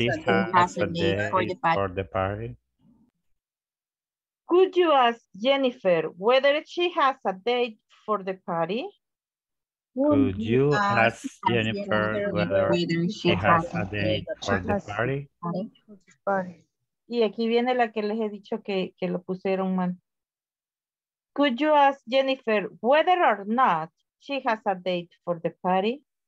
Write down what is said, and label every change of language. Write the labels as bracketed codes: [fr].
[en] Could you ask Jennifer if she has a date for the party? Could you ask Jennifer whether she has a date for the party? Could you ask Jennifer whether she has a date for the party? [es] Y aquí viene la que les he dicho que lo pusieron mal. [en] Could you ask Jennifer whether or not she has a date for the party?